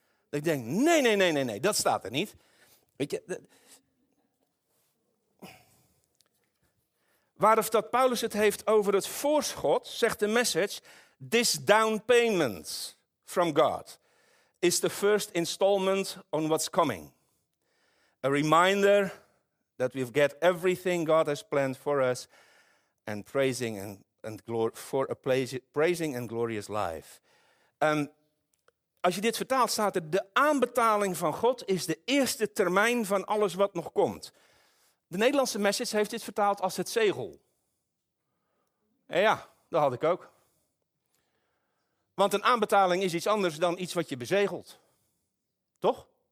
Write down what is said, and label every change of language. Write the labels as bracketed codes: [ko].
[nl] Ik denk, nee, dat staat er niet. Weet je, waar of dat Paulus het heeft over het voorschot, zegt de message, [en] this down payment from God is the first installment on what's coming. A reminder that we've got everything God has planned for us and praising and glorious life. [nl] Als je dit vertaalt, staat er de aanbetaling van God is de eerste termijn van alles wat nog komt. De Nederlandse message heeft dit vertaald als het zegel. En ja, dat had ik ook. Want een aanbetaling is iets anders dan iets wat je bezegelt. Toch?